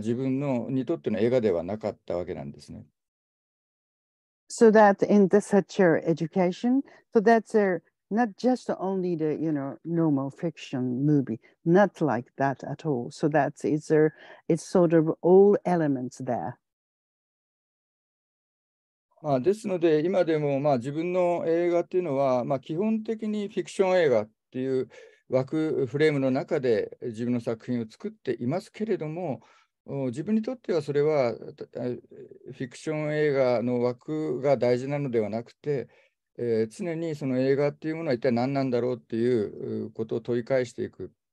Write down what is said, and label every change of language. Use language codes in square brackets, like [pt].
[ja] ですので、そういう教育環境の中にいたので、いわゆる映画産業において、制作されている、いわゆるフィクション映画だけが自分にとっての映画ではなかったわけなんですね。 [en] So that in the such education, so that's not just only the, normal fiction movie, not like that at all. So that is it's sort of all elements there. [ja] ですので、今でも自分の映画っていうのは、基本的に、フィクション映画っていう枠、フレームの中で自分の作品を作っていますけれども、 自分にとってはそれはフィクション映画の枠が大事なのではなくて、常にその映画っていうものは一体何なんだろうっていうことを問い返していく。